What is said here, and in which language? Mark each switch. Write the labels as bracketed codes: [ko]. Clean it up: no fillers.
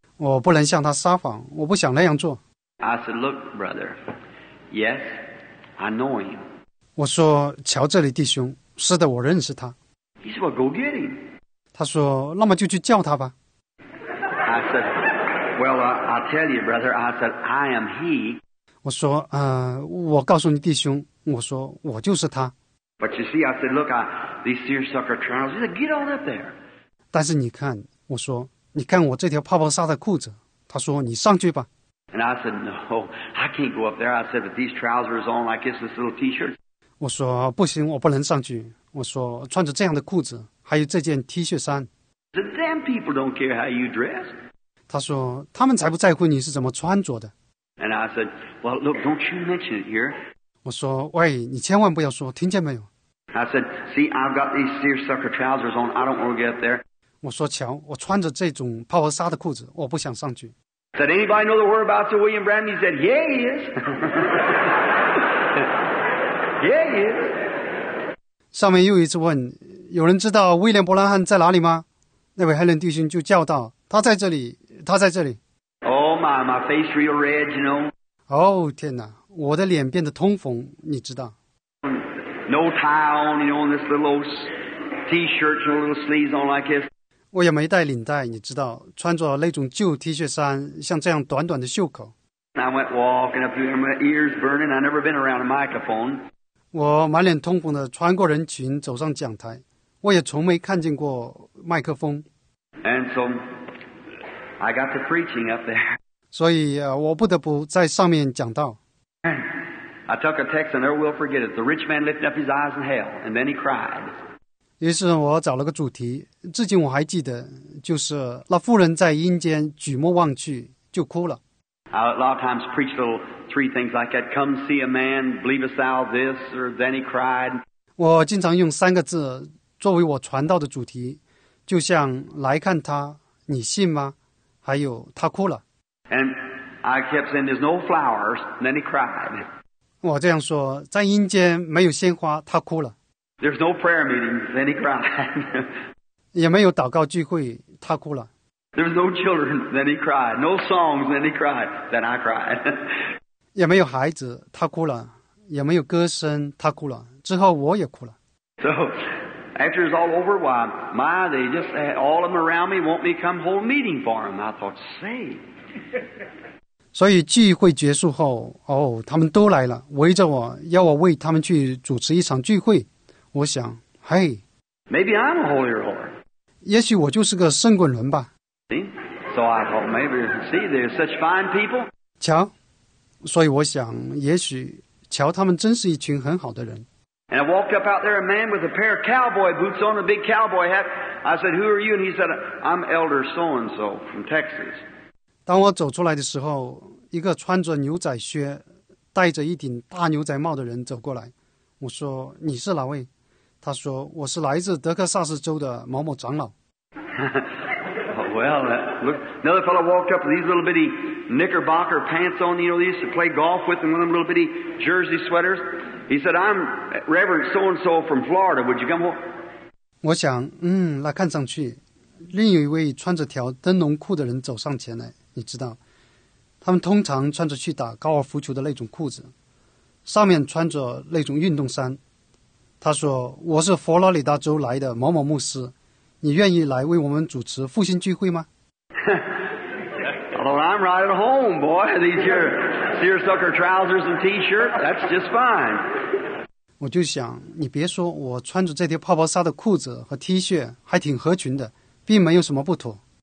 [zh] 我不能向他撒谎，我不想那样做。 [en] I said, look, brother. Yes, I know him. [zh] 我说，瞧这里，弟兄，是的，我认识他。 [en] He said, well, go get him. [zh] 他说，那么就去叫他吧。 [en] I said, well, I tell you, brother. I said, I am he. [zh] 我说，我告诉你，弟兄，我说，我就是他。 [en] But you see, I said, look, these seersucker trousers. He said, get on up there. [zh] 但是你看，我说，你看我这条泡泡纱的裤子。他说，你上去吧。 [en] And I said, no, I can't go up there. I said, with these trousers on, I guess this little T-shirt. [zh] 我说不行，我不能上去。我说穿着这样的裤子，还有这件 T 恤衫。 [en] The damn people don't care how you dress. [zh] 他说他们才不在乎你是怎么穿着的。 [en] And I said, well, look, don't you mention it here. [zh] 我说喂，你千万不要说，听见没有 [en] ？I said, see, I've got these seersucker trousers on. I don't want to get up there. [zh] 我说瞧，我穿着这种泡泡纱的裤子，我不想上去。 [en] Did anybody know the whereabouts of William Branham? He said, yeah, he is. yeah, he is. [zh] 上面又一次问，有人知道威廉·伯兰汉在哪里吗？那位黑人弟兄就叫道，他在这里，他在这里。 [en] Oh, my face real red, you know. [zh] Oh, 天哪，我的脸变得通红，你知道。 [en] No tie on, you know, on this little old T-shirt and a little sleeves on like this. [zh] 我也没带领带，你知道，穿着那种旧 T 恤衫，像这样短短的袖口。 [en] I went walking up here, my ears burning. I've never been around a microphone. [zh] 我满脸通红的穿过人群走上讲台，我也从没看见过麦克风。 [en] And so I got the preaching up there. [zh] 所以我不得不在上面讲道。 [en] I took a text and never will forget it. The rich man lifted up his eyes in hell, and then he cried. [zh] 于是我找了个主题，至今我还记得，就是那妇人在阴间举目望去就哭了。 [en] A lot of times preach little three things like that. Come see a man, believest thou this, or then he cried. [zh] 我经常用三个字作为我传道的主题，就像来看他，你信吗？还有他哭了。 [en] And I kept saying there's no flowers, and then he cried. [zh] 我这样说，在阴间没有鲜花，他哭了。 [en] There's no prayer meeting, then he cried. [zh] 也没有祷告聚会，他哭了。 [en] There's no children, then he cried. No songs, then he cried. Then I cried. [zh] 也没有孩子，他哭了。也没有歌声，他哭了。之后我也哭了。 [en] So after it's all over, why, my, they just had all of them around me want me to come hold a meeting for them. I thought, say. [zh] 所以聚会结束后，哦，他们都来了，围着我，要我为他们去主持一场聚会。我想，嘿 [en] ，Maybe I'm a holier whore. [zh] 也许我就是个圣滚轮吧。 [en] So I thought maybe. See, they're such fine people. [zh] 瞧，所以我想，也许瞧他们真是一群很好的人。 [en] And I walked up out there, a man with a pair of cowboy boots on, a big cowboy hat. I said, "Who are you?" And he said, "I'm Elder So and So from Texas." [zh] 当我走出来的时候，一个穿着牛仔靴、戴着一顶大牛仔帽的人走过来。我说你是哪位？他说我是来自德克萨斯州的某某长老。 [en] Well, look, another fellow walked up with these little bitty knickerbocker pants on. You know, they used to play golf with, and one of them little bitty jersey sweaters. He said, "I'm Reverend So and So from Florida. Would you come home?" [zh] 我想，那看上去，另有一位穿着条灯笼裤的人走上前来。你知道，他们通常穿着去打高尔夫球的那种裤子。上面穿着那种运动衫，他说：“我是佛罗里达州来的某某牧师，你愿意来为我们主持复兴聚会吗？” [en] Although I'm right at home, boy. These here seersucker trousers and T-shirt, that's just fine. [zh] 我就想，你别说，我穿着这条泡泡纱的裤子和 T 恤还挺合群的，并没有什么不妥。